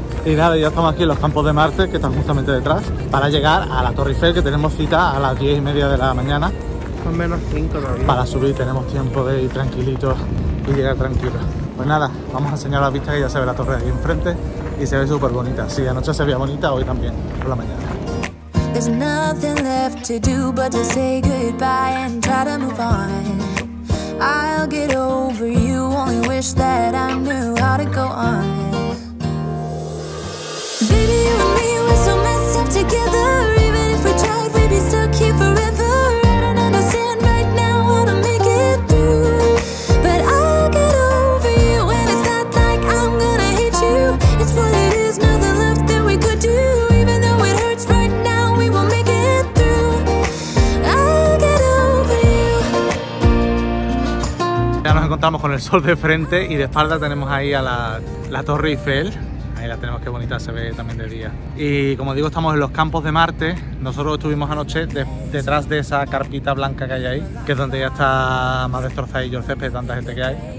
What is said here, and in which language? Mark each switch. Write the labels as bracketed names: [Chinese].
[Spanish] Y nada, ya estamos aquí en los Campos de Marte, que están justamente detrás, para llegar a la Torre Eiffel, que tenemos cita a las 10 y media de la mañana. Son menos 5 todavía. Para subir tenemos tiempo de ir tranquilitos y llegar tranquilos. Pues nada, vamos a enseñar las vistas, que ya se ve la torre ahí enfrente y se ve súper bonita. Sí, anoche se veía bonita, hoy también, por la mañana. [English] There's nothing left to do but to say goodbye and try to move on. I'll get over you, only wish that I knew how to go on. Baby, you and me, we're so messed up together. Even if we tried, we'd be stuck here forever. I don't understand right now how to make it through. But I'll get over you. And it's not like I'm gonna hate you. It's what it is, nothing left that we could do. Even though it hurts right now, we will make it through. I'll get over you. [Spanish] Ya nos encontramos con el sol de frente y de espalda tenemos ahí a la Torre Eiffel. Ahí la tenemos, qué bonita se ve también de día. Y como digo, estamos en los Campos de Marte. Nosotros estuvimos anoche detrás de esa carpita blanca que hay ahí, que es donde ya está más destrozadillo el césped de tanta gente que hay.